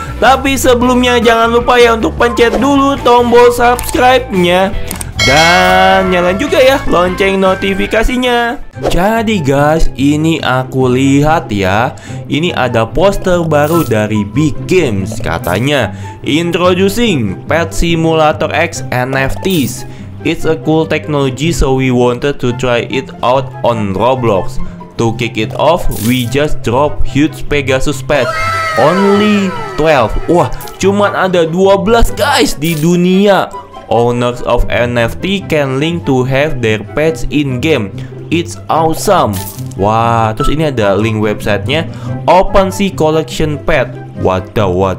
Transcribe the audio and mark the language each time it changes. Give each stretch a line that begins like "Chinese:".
Indonesian: Tapi sebelumnya jangan lupa ya untuk pencet dulu tombol subscribe-nya. Dan nyalain juga ya lonceng notifikasinya. Jadi guys, ini aku lihat ya, ini ada poster baru dari Big Games.
English: Katanya, introducing Pet Simulator X NFTs. It's a cool technology, so we wanted to try it out on Roblox. To kick it off, we just drop huge Pegasus pet. Only 12.
Indonesian: Wah, cuma ada 12 guys di dunia.
English: Owners of NFT can link to have their pets in game. It's awesome.
Indonesian: Wah, terus ini ada link websitenya. OpenSea Collection Pet. Wadaw.